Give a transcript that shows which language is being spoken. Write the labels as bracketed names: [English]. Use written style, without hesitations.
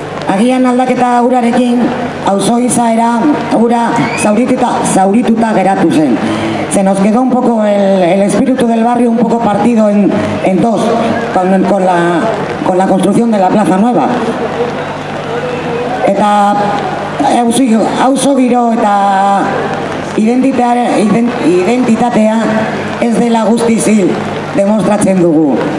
[Basque] Agian aldaketa urarekin auzo izaera ura zaurituta geratu zen. [Spanish] Se nos quedó un poco el espíritu del barrio un poco partido en dos con la construcción de la Plaza Nueva. [Basque] Eta auzo giro eta identitatea ez dela guztiz hil demostratzen dugu.